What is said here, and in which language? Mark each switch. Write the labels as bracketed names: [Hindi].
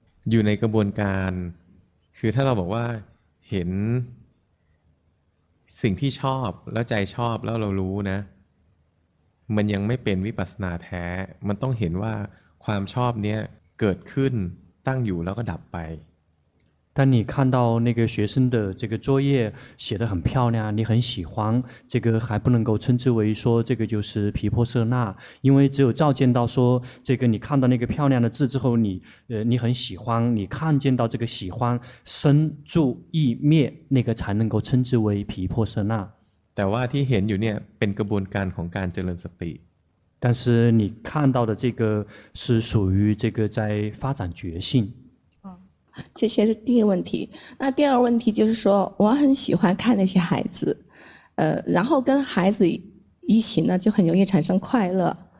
[Thai] อยู่ในกระบวนการคือถ้าเราบอกว่าเห็นสิ่งที่ชอบแล้วใจชอบแล้วเรารู้นะมันยังไม่เป็นวิปัสสนาแท้มันต้องเห็นว่าความชอบเนี้ยเกิดขึ้นตั้งอยู่แล้วก็ดับไป [Chinese] 当你看到那个学生的这个作业写得很漂亮你很喜欢这个还不能够称之为说这个就是毗婆舍那因为只有照见到说这个你看到那个漂亮的字之后你很喜欢你看见到这个喜欢生住意灭那个才能够称之为毗婆舍那 [Thai] แต่ว่าที่เห็นอยู่เนี่ยเป็นกระบวนการของการเจริญสติ [Chinese] 但是你看到的这个是属于这个在发展觉性。这些是第一个问题。那第二个问题就是说我很喜欢看那些孩子然后跟孩子一起呢就很容易产生快乐。